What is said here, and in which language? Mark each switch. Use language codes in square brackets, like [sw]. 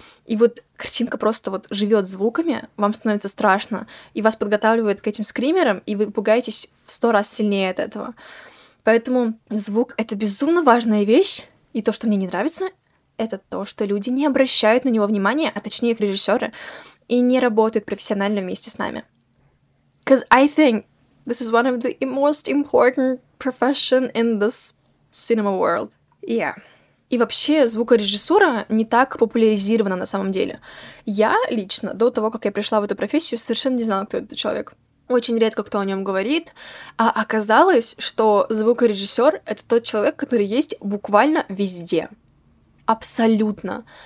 [ru] И вот картинка просто вот живет звуками, вам становится страшно, и вас подготавливает к этим скримерам, и вы пугаетесь в 100 раз сильнее от этого. Поэтому звук — это безумно важная вещь, и то, что мне не нравится, это то, что люди не обращают на него внимания, а точнее режиссеры, и не работают профессионально вместе с нами. [en] Because I think this is one of the most important profession in this cinema world. Yeah. [ru] И вообще звукорежиссура не так популяризирована на самом деле. Я лично до того, как я пришла в эту профессию, совершенно не знала, кто это человек. Очень редко кто о нем говорит. А оказалось, что звукорежиссер — это тот человек, который есть буквально везде. абсолютно.